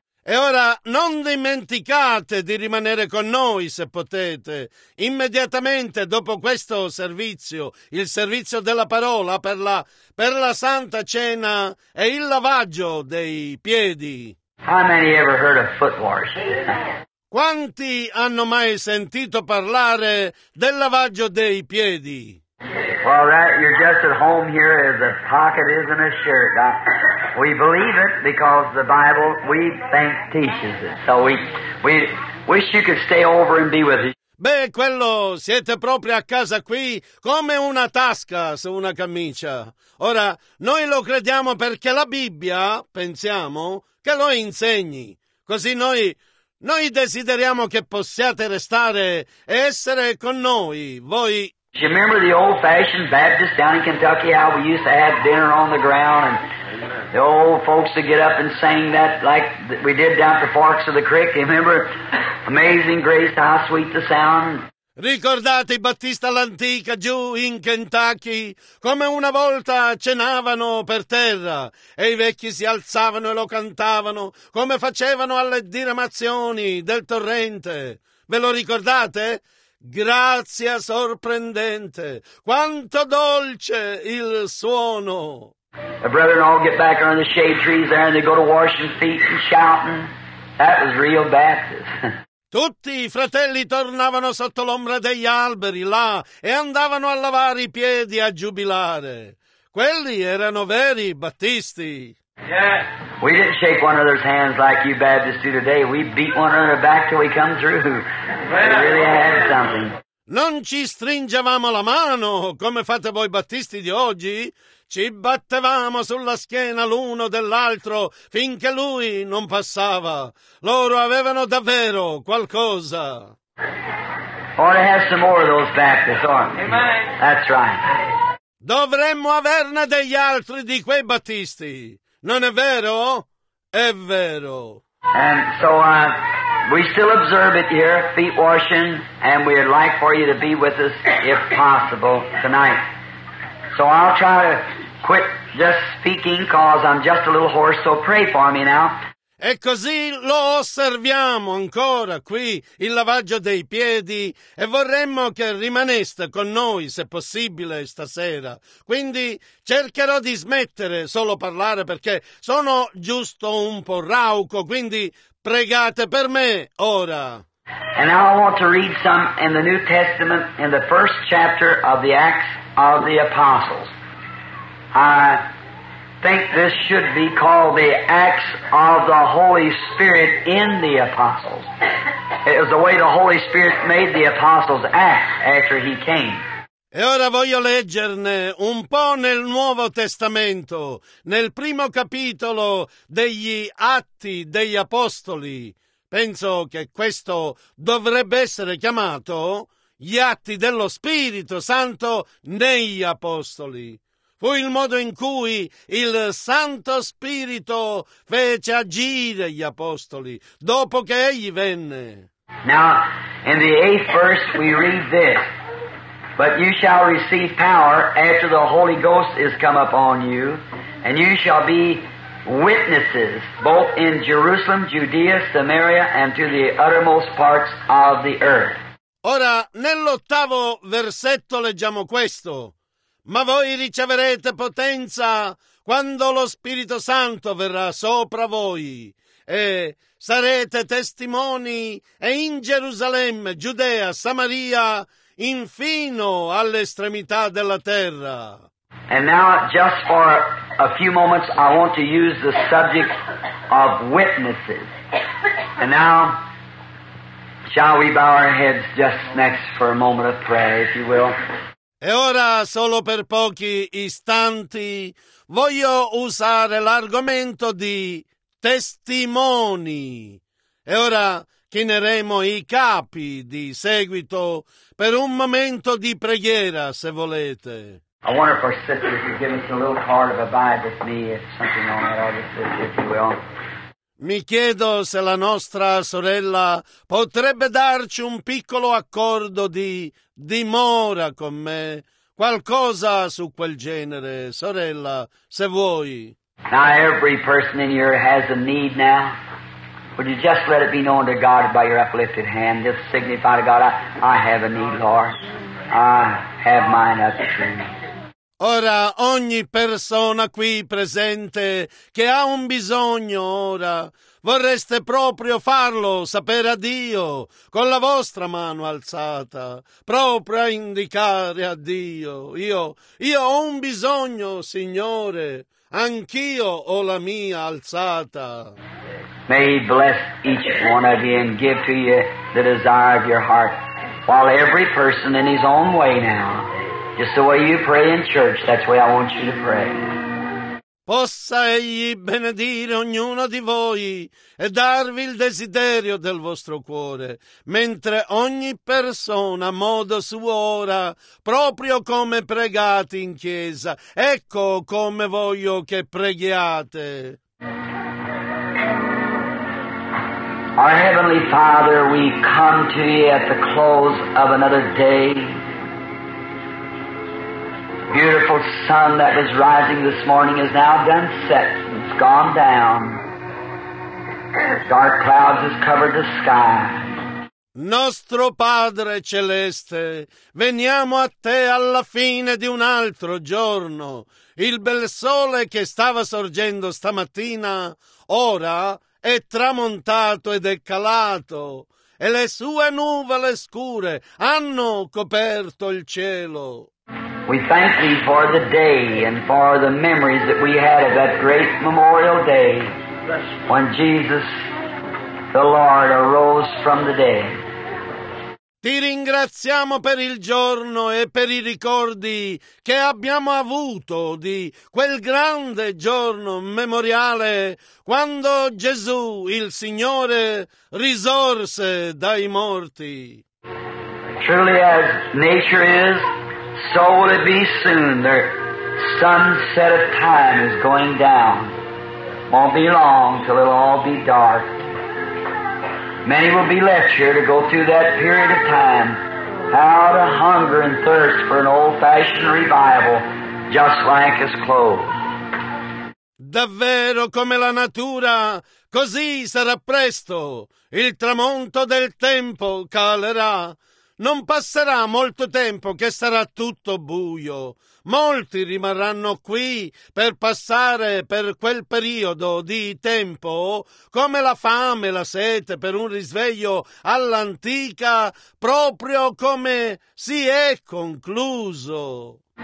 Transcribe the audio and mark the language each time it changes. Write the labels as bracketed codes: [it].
[it] E ora non dimenticate di rimanere con noi se potete immediatamente dopo questo servizio, il servizio della parola per la santa cena e il lavaggio dei piedi. [en] How many ever heard of foot washing? [it] Quanti hanno mai sentito parlare del lavaggio dei piedi? [en] Well, that you're just at home here as a pocket is in a shirt. We believe it because the Bible we think teaches it. So we wish you could stay over and be with us. [it] Beh, quello siete proprio a casa qui come una tasca su una camicia. Ora noi lo crediamo perché la Bibbia pensiamo che lo insegni. Così noi desideriamo che possiate restare e essere con noi. Voi. [en] Do you remember the old-fashioned Baptist down in Kentucky, how we used to have dinner on the ground, and the old folks would get up and sing that like we did down at the Forks of the Creek? You remember? Amazing grace, how sweet the sound. [it] Ricordate i Battista all'antica giù in Kentucky, come una volta cenavano per terra, e i vecchi si alzavano e lo cantavano, come facevano alle diramazioni del torrente. Ve lo ricordate? Grazia sorprendente, quanto dolce il suono. [en] The brethren all get back under the shade trees there and they go to washing feet and shouting. That was real Baptist. [it] Tutti i fratelli tornavano sotto l'ombra degli alberi là e andavano a lavare i piedi a giubilare. Quelli erano veri Battisti. [en] Yeah. We didn't shake one another's hands like you Baptists do today. We beat one another back till we come through. We really had something. [it] Non ci stringevamo la mano come fate voi Battisti di oggi. Ci battevamo sulla schiena l'uno dell'altro finché lui non passava. Loro avevano davvero qualcosa. [en] Ought to have some more of those Baptists, aren't we? Amen. That's right. [it] Dovremmo averne degli altri di quei Battisti. Non è vero? È vero. [en] And so we still observe it here, feet washing, and we'd like for you to be with us if possible tonight. So I'll try to quit just speaking because I'm just a little hoarse, so pray for me now. [it] E così lo osserviamo ancora qui, il lavaggio dei piedi, e vorremmo che rimaneste con noi, se possibile, stasera. Quindi cercherò di smettere solo parlare, perché sono giusto un po' rauco, quindi pregate per me ora. [en] And now I want to read some in the New Testament, in the first chapter of the Acts of the Apostles. I think this should be called the Acts of the Holy Spirit in the Apostles. It was the way the Holy Spirit made the Apostles act after he came. [it] E ora voglio leggerne un po' nel Nuovo Testamento, nel primo capitolo degli Atti degli Apostoli. Penso che questo dovrebbe essere chiamato gli Atti dello Spirito Santo negli Apostoli. Fu il modo in cui il Santo Spirito fece agire gli apostoli dopo che egli venne. [en] Now, in the eighth verse we read this: But you shall receive power after the Holy Ghost is come upon you, and you shall be witnesses both in Jerusalem, Judea, Samaria, and to the uttermost parts of the earth. [it] Ora, nell'ottavo versetto leggiamo questo: Ma voi riceverete potenza quando lo Spirito Santo verrà sopra voi e sarete testimoni e in Gerusalemme, Giudea, Samaria, infino all'estremità della terra. [en] And now, just for a few moments, I want to use the subject of witnesses. And now, shall we bow our heads just next for a moment of prayer, if you will? [it] E ora, solo per pochi istanti, voglio usare l'argomento di testimoni. E ora chineremo i capi di seguito per un momento di preghiera, se volete. [en] I wonder if our sister could give us a little card of abide with me, if something on that, if you will. [it] Mi chiedo se la nostra sorella potrebbe darci un piccolo accordo di dimora con me, qualcosa su quel genere, sorella, se vuoi. [en] Now every person in here has a need now. Would you just let it be known to God by your uplifted hand? Just signify to God, I have a need, Lord. I have mine up to me. [it] Ora, ogni persona qui presente che ha un bisogno ora, vorreste proprio farlo sapere a Dio, con la vostra mano alzata, proprio a indicare a Dio. Io ho un bisogno, Signore, anch'io ho la mia alzata. [en] May He bless each one of you and give to you the desire of your heart, while every person in his own way now. Just the way you pray in church, that's the way I want you to pray. [it] Possa egli benedire ognuno di voi e darvi il desiderio del vostro cuore, mentre ogni persona a modo suo ora, proprio come pregate in chiesa. Ecco come voglio che preghiate. [en] Our Heavenly Father, we come to you at the close of another day. Beautiful sun that was rising this morning is now done set. It's gone down. Dark clouds has covered the sky. [it] Nostro Padre Celeste, veniamo a te alla fine di un altro giorno. Il bel sole che stava sorgendo stamattina ora è tramontato ed è calato, e le sue nuvole scure hanno coperto il cielo. [en] We thank Thee for the day and for the memories that we had of that great Memorial Day when Jesus the Lord arose from the dead. [it] Ti ringraziamo per il giorno e per i ricordi che abbiamo avuto di quel grande giorno memoriale quando Gesù, il Signore, risorse dai morti. [en] Truly as nature is, so will it be soon. The sunset of time is going down. Won't be long till it'll all be dark. Many will be left here to go through that period of time, out of hunger and thirst for an old-fashioned revival, just like his clothes. [it] davvero come la natura, così sarà presto, il tramonto del tempo calerà. Non passerà molto tempo che sarà tutto buio. Molti rimarranno qui per passare per quel periodo di tempo, come la fame e la sete per un risveglio all'antica, proprio come si è concluso.